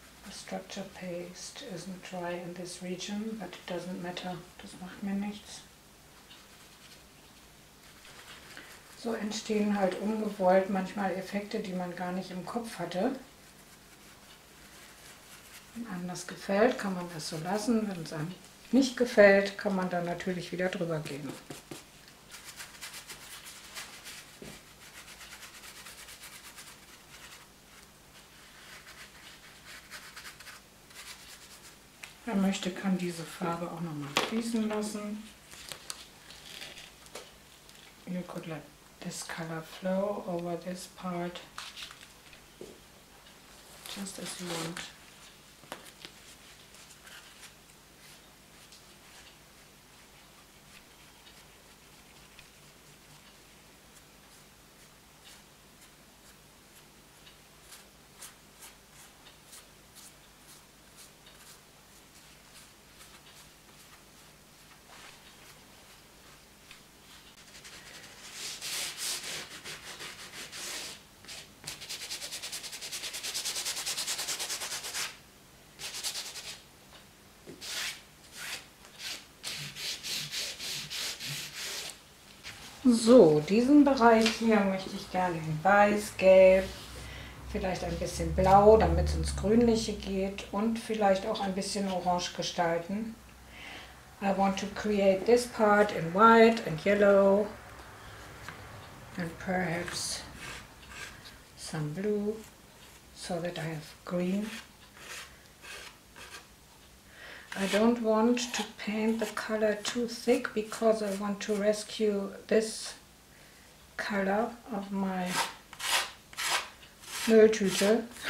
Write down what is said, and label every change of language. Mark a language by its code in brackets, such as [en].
[en] Structure paste isn't dry in this region, but it doesn't matter. [de] Das macht mir nichts. So entstehen halt ungewollt manchmal Effekte, die man gar nicht im Kopf hatte. Wenn einem das gefällt, kann man das so lassen. Wenn es einem nicht gefällt, kann man dann natürlich wieder drüber gehen. Wer möchte, kann diese Farbe auch nochmal fließen lassen. [en] You could let this color flow over this part, just as you want. [de] So, diesen Bereich hier möchte ich gerne in weiß, gelb, vielleicht ein bisschen blau, damit es ins Grünliche geht und vielleicht auch ein bisschen orange gestalten. [en] I want to create this part in white and yellow and perhaps some blue so that I have green. I don't want to paint the color too thick because I want to rescue this color of my Mülltüte.